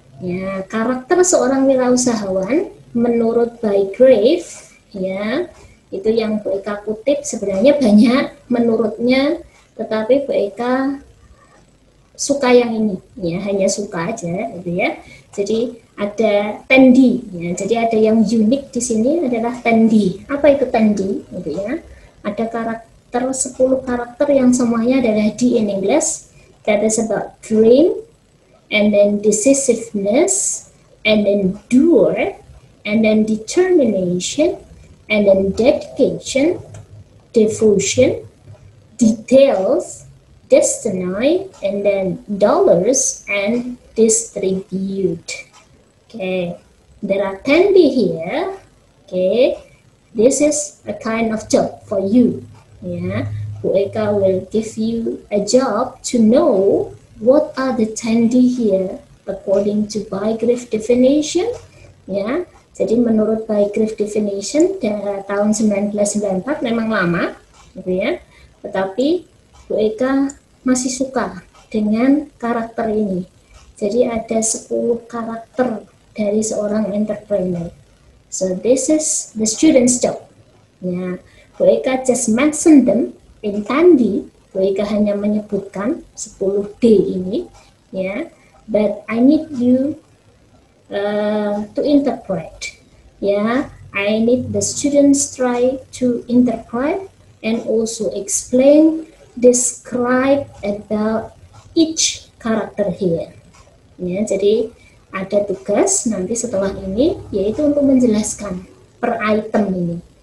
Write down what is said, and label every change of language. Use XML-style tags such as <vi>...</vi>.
<id>Ya, karakter seorang wirausahawan menurut Bygrave, ya, itu yang Bu Eka kutip, sebenarnya banyak menurutnya, tetapi Bu Eka suka yang ini, ya, hanya suka aja, gitu ya. Jadi ada tendi, ya, jadi ada yang unik di sini adalah tendi. Apa itu tendi? Gitu ya. Ada karakter 10 karakter yang semuanya adalah D</id> <en>in English. That is about dream, and then decisiveness, and then doer, and then determination, and then dedication, devotion, details, destiny, and then dollars, and distribute. Okay, there are 10 D here. Okay, this is a kind of job for you. Yeah, Bu Eka will give you a job to know what are the 10 D here according to Bygrave definition.</en> <id>Yeah, jadi menurut Bygrave definition dari tahun 1994 memang lama, gitu ya. Tetapi Bu Eka masih suka dengan karakter ini. Jadi ada 10 karakter dari seorang entrepreneur.</id> <en>So this is the student's job. Ya, Bu Eka just mention them in Tandi.</en> <id>Bu Eka hanya menyebutkan 10 D ini.</id> <en>Ya, but I need you to interpret. Ya, I need the students try to interpret and also explain, describe about each character here.</en> <id>Ya, jadi ada tugas nanti setelah ini, yaitu untuk menjelaskan per item ini.</id>